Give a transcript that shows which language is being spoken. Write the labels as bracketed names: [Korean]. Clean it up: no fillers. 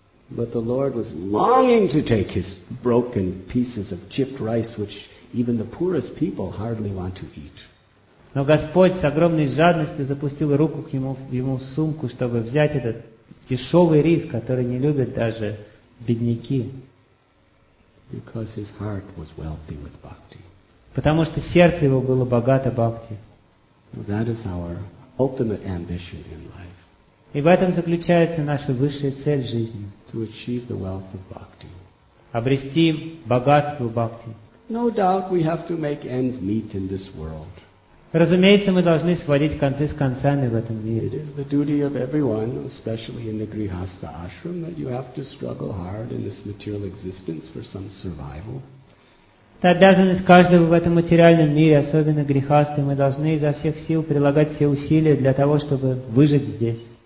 [English] But the Lord was longing to take his broken pieces of chipped rice, which even the poorest people hardly want to eat. [Russian] Но Господь с огромной жадностью запустил руку к нему, ему в сумку, чтобы взять этот дешевый рис, который не любят даже бедняки. [English] Because his heart was wealthy with bhakti. [Russian] Потому что сердце его было богато бхакти. [English] That is our ultimate ambition in life. [Russian] И в этом заключается наша высшая цель жизни. [English] To achieve the wealth of bhakti. [Russian] Обрести богатство бхакти. [English] No doubt we have to make ends meet in this world. [Russian] Разумеется, мы должны сводить концы с концами в этом мире. [English] It is the duty of everyone, especially in the grihastha ashram, that you have to struggle hard in this material existence for some survival. [Russian] Это обязанность каждого в этом материальном мире, особенно грехасты. Мы должны изо всех сил прилагать все усилия для того, чтобы выжить здесь.